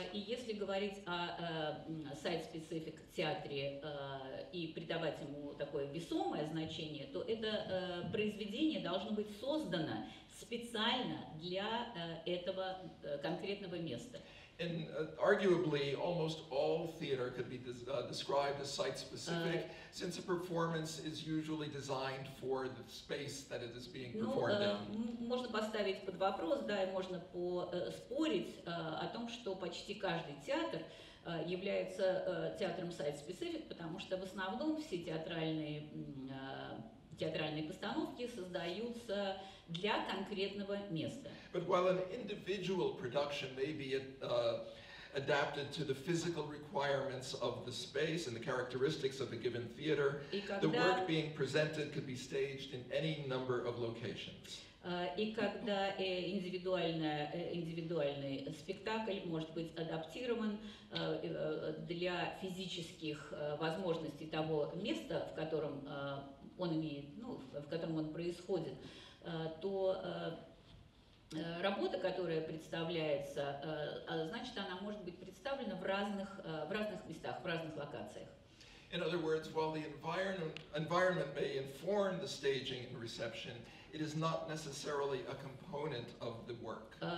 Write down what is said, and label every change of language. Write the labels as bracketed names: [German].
[Russian] И если говорить о site-specific театре и придавать ему такое весомое значение, то это произведение должно быть создано специально для этого конкретного места. [English] And arguably, almost all theater could be described as site-specific, since a performance is usually designed for the space that it is being performed in. [Russian] Можно поставить под вопрос, да, и можно поспорить о том, что почти каждый театр является театром site-specific, потому что в основном все театральные постановки создаются для конкретного места. [English] But while an individual production may be adapted to the physical requirements of the space and the characteristics of a given theater, the work being presented could be staged in any number of locations. [Russian] И когда индивидуальный спектакль может быть адаптирован для физических возможностей того места, в котором он имеет, в котором он происходит, то работа, которая представляется, значит, она может быть представлена в разных местах, в разных локациях. [English] In other words, while the environment may inform the staging and reception, it is not necessarily a component of the work.